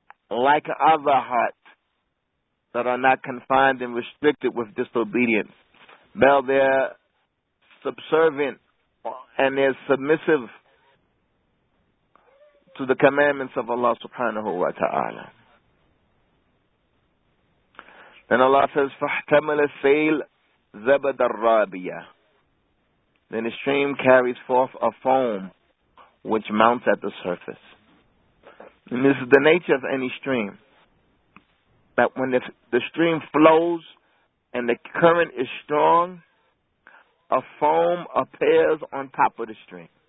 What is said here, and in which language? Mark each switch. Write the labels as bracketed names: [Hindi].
[English] Like other hearts that are not confined and restricted with disobedience. Well, they're subservient and they're submissive to the commandments of Allah subhanahu wa ta'ala. Then Allah says, [Arabic] فَاحْتَمَلَ السَّيْلْ زَبَدَ الرَّابِيَ. [English] Then the stream carries forth a foam which mounts at the surface. And this is the nature of any stream. That when the stream flows and the current is strong, a foam appears on top of the stream.